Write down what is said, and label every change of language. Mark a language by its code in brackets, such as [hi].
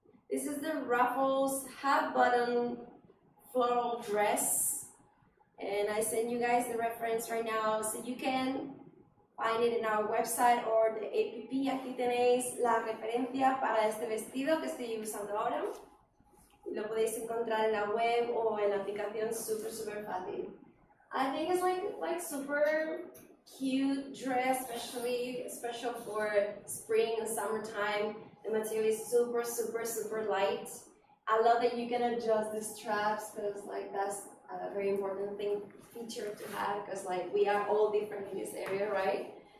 [en] This is the ruffles half button floral dress. And I send you guys the reference right now so you can find it in our website or the app. [es] Aquí tenéis la referencia para este vestido que estoy usando ahora. Lo podéis encontrar en la web o en la aplicación super, super fácil. [en] I think it's like super cute dress, especially for spring and summertime. The material is super, super, super light. I love that you can adjust the straps because like that's a very important thing, feature to have, because like we are all different in this area, right?